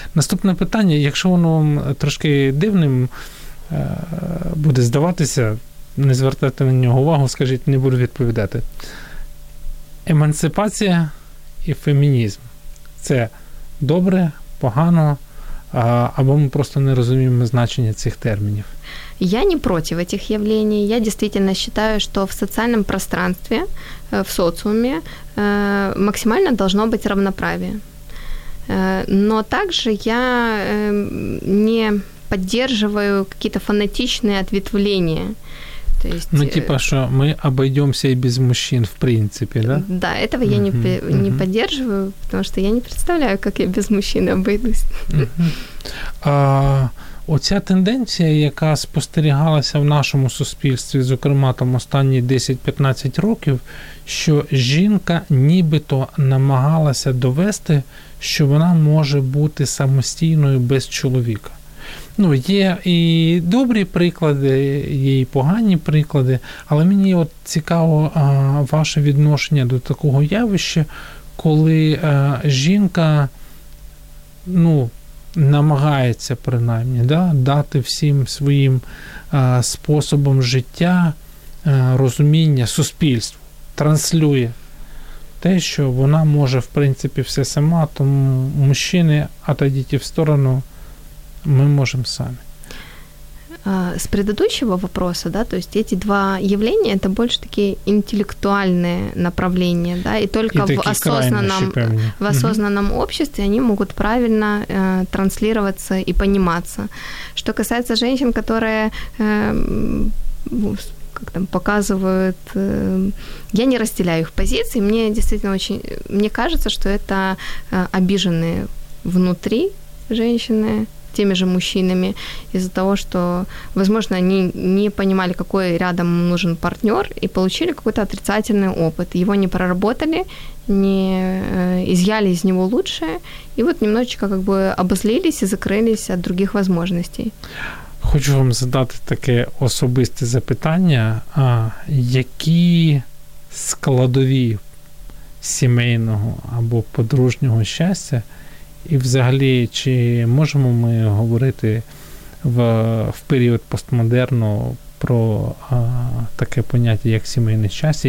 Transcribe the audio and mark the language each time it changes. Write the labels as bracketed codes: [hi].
[uk] Наступне питання, якщо воно вам трошки дивним буде здаватися, не звертайте на нього увагу, скажіть, не буду відповідати. Емансипація і фемінізм – це добре, погано, або ми просто не розуміємо значення цих термінів? [ru] Я не против этих явлений. Я действительно считаю, что в социальном пространстве, в социуме максимально должно быть равноправие. Но также я не поддерживаю какие-то фанатичные ответвления. То есть, ну, типа, что мы обойдемся и без мужчин, в принципе, да? Да, этого я не поддерживаю, потому что я не представляю, как я без мужчины обойдусь. [uk] А оця тенденція, яка спостерігалася в нашому суспільстві, зокрема, там останні 10-15 років, що жінка нібито намагалася довести, що вона може бути самостійною без чоловіка. Ну, є і добрі приклади, є і погані приклади, але мені от цікаво ваше відношення до такого явища, коли жінка, ну, намагається принаймні, да, дати всім своїм способом життя розуміння суспільству, транслює те, що вона може, в принципі, все сама, тому мужчини, а та діти в сторону, ми можемо самі. [ru] С предыдущего вопроса, да, то есть эти два явления, это больше такие интеллектуальные направления, да, и только и в осознанном обществе они могут правильно транслироваться и пониматься. Что касается женщин, которые как там показывают, я не разделяю их позиции, мне действительно мне кажется, что это обиженные внутри женщины, теми же мужчинами, из-за того, что, возможно, они не понимали, какой рядом нужен партнер, и получили какой-то отрицательный опыт. Его не проработали, не изъяли из него лучшее, и вот немножечко как бы обозлились и закрылись от других возможностей. Хочу вам задать такое особистое запитание. [uk] Какие складові семейного або подружнього счастья? І взагалі, чи можемо ми говорити в період постмодерну про таке поняття, як сімейне щастя?